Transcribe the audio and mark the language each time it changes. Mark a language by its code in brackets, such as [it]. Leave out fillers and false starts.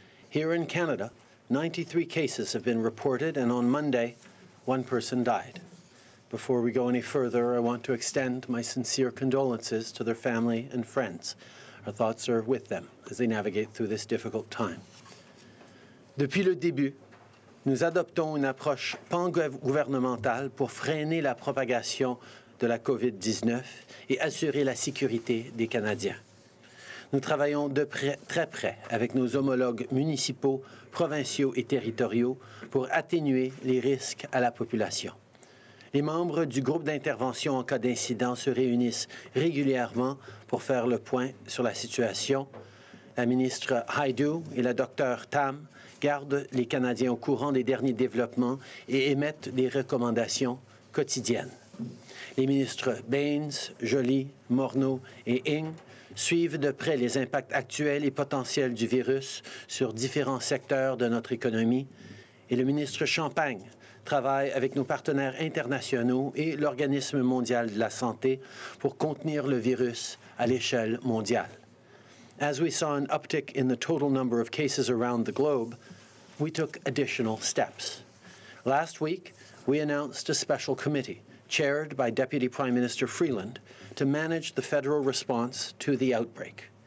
[en] Here in Canada, 93 cases have been reported, and on Monday, one person died. Before we go any further, I want to extend my sincere condolences to their family and friends. Our thoughts are with them as they navigate through this difficult time. [fr] Depuis le début, nous adoptons une approche pan-gouvernementale pour freiner la propagation de la COVID-19 et assurer la sécurité des Canadiens. Nous travaillons de près, très près avec nos homologues municipaux, provinciaux et territoriaux pour atténuer les risques à la population. Les membres du groupe d'intervention en cas d'incident se réunissent régulièrement pour faire le point sur la situation. La ministre Haidu et la docteur Tam gardent les Canadiens au courant des derniers développements et émettent des recommandations quotidiennes. Les ministres Baines, Joly, Morneau et Ng suivent de près les impacts actuels et potentiels du virus sur différents secteurs de notre économie. Et le ministre Champagne travaille avec nos partenaires internationaux et l'Organisme mondial de la santé pour contenir le virus à l'échelle mondiale. [en] As we saw an uptick in the total number of cases around the globe, we took additional steps. Last week, we announced a special committee chaired by Deputy Prime Minister Freeland to manage the federal response to the outbreak.